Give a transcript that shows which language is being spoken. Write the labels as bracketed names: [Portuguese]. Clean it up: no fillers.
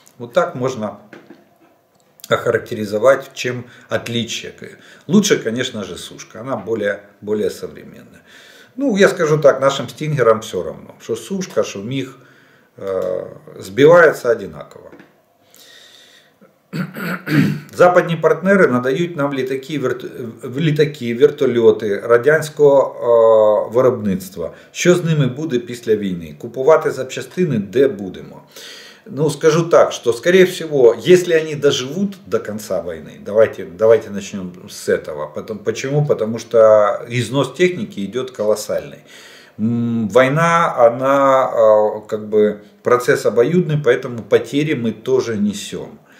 [Russian] Вот так можно охарактеризовать, чем отличие. Лучше, конечно же, сушка, она более современная. Ну, я скажу так, нашим стингерам все равно, что сушка, что МИГ сбивается одинаково. [Ukrainian] Западные партнеры надают нам літаки, вертольоти радянського виробництва. Що з ними буде після війни? Купувати запчастини де будемо? [Russian] Ну, скажу так, что, скорее всего, если они доживут до конца войны, давайте начнем с этого. Почему? Потому что износ техники идет колоссальный. Война, она как бы процесс обоюдный, поэтому потери мы тоже несем.